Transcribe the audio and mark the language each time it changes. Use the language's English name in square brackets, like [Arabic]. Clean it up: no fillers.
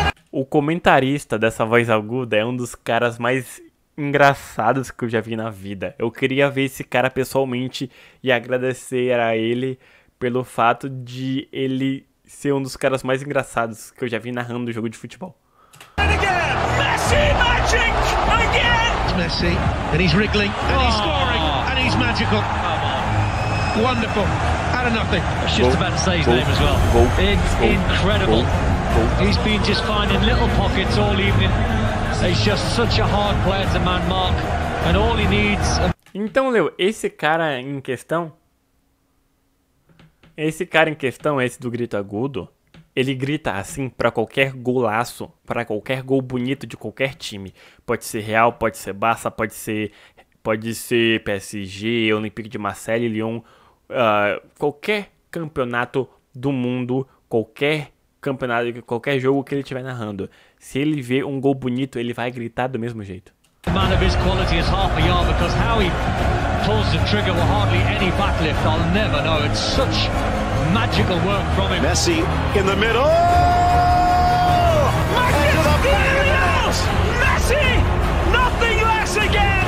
[Portuguese] O comentarista dessa voz aguda é um dos caras mais engraçados que eu já vi na vida. Eu queria ver esse cara pessoalmente e agradecer a ele pelo fato de ele ser um dos caras mais engraçados que eu já vi narrando o jogo de futebol. [English] Messi, and he's wriggling, and he's scoring, and he's magical. Wonderful. out of nothing. I was just about to say his name as well. It's incredible. He's been just finding little pockets all evening. He's just such a hard player to man mark. And all he needs... [Portuguese] Então, Leo, esse cara em questão... Esse cara em questão, esse do grito agudo, ele grita assim pra qualquer golaço, pra qualquer gol bonito de qualquer time. Pode ser Real, pode ser Barça, pode ser PSG, Olympique de Marseille, Lyon, qualquer campeonato do mundo, qualquer jogo que ele estiver narrando. Se ele vê um gol bonito, ele vai gritar do mesmo jeito. [English] Man of his quality is half a yard because how he pulls the trigger with hardly any backlift, I'll never know. It's such magical work from him. Messi in the middle. Magnus, here he is! Messi, nothing less again.